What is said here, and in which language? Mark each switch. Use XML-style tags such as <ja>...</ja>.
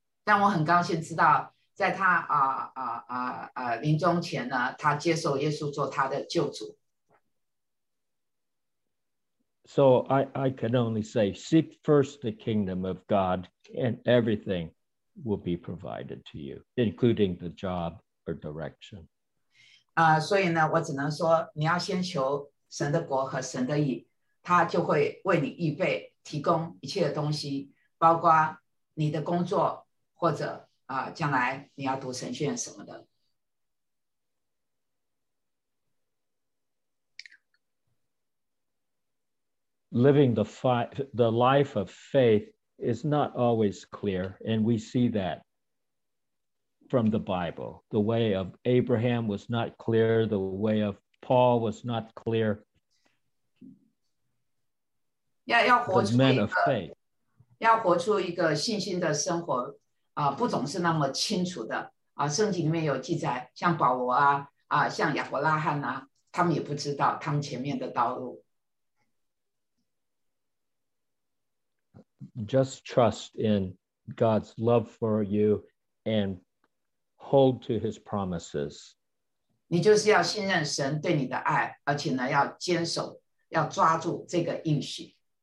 <zh>但我很高兴知道，在他临终前呢，他接受耶稣做他的救主。</zh> <en>So I can only say, seek first the kingdom of God, and everything will be provided to you, including the job or direction.</en> <zh>所以呢，我只能说，你要先求神的国和神的义。他就会为你预备提供一切的东西，包括你的工作或者将来你要读神学院什么的。</zh> <en>Living the life of faith is not always clear, and we see that from the Bible. The way of Abraham was not clear, the way of Paul was not clear. The men of faith.</en> <zh>要活出一个信心的生活，不总是那么清楚的，圣经里面有记载，像保罗啊，像亚伯拉罕啊，他们也不知道他们前面的道路。</zh> <en>Just trust in God's love for you and hold to his promises.</en> <zh>你就是要信任神对你的爱，而且呢，要坚守，要抓住这个应许。</zh>